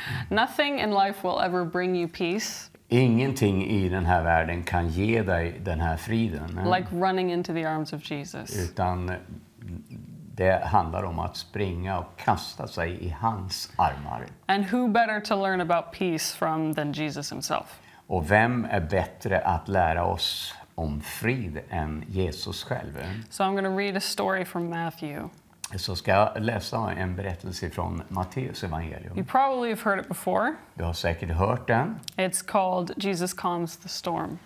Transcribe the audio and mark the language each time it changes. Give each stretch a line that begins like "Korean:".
English: Nothing in life will ever bring you peace.
Swedish: Ingenting i den här världen kan ge dig den här friden.
English: Like running into the arms of Jesus.
Swedish: Utan det handlar om att springa och kasta sig i hans armar.
English: And who better to learn about peace from than Jesus himself?
Swedish: Och vem är bättre att lära oss om frid än Jesus själv?
English: So I'm going to read a story from Matthew.
Swedish: Så ska jag läsa en berättelse från Matteus evangelium.
English: You probably have heard it before.
Swedish: Du har säkert hört den.
English: It's called Jesus Calms the Storm.